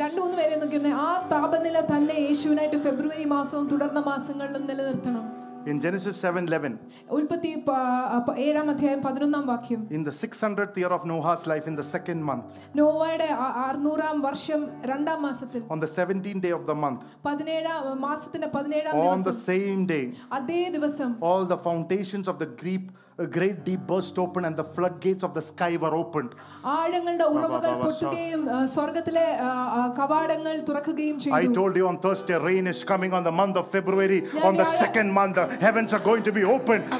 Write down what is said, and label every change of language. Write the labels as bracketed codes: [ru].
[ml] രണ്ടു മൂന്ന് പേരെ നോക്കിയേ ആ താപനില തന്നെ യേശുവിനായിട്ട് ഫെബ്രുവരി മാസവും തുടർന്ന മാസങ്ങളിലും നിലനിർത്തണം. [en] In Genesis 7:11. [ml] ഉൽപ്പത്തി 7-ാം അധ്യായം 11-ാം വാക്യം. [en] In the 600th year of Noah's life in the second month. [ml] നോവയുടെ 600-ാം വർഷം 2-ാം മാസത്തിൽ. [en] On the 17th day of the month. [ml] 17-ാം മാസത്തിന്റെ 17-ാം ദിവസം. [en] On the same day. [ml] അതേ ദിവസം. [en] All the foundations of the Greek a great deep burst opened and the floodgates of the sky were opened. [ml] ആഴങ്ങളുടെ ഉറവുകൾ പൊട്ടുകയും സ്വർഗ്ഗത്തിലെ കവാടങ്ങൾ തുറക്കുകയും ചെയ്തു. [en] I told you on Thursday rain is coming on the month of February. On the second month the heavens are going to be opened.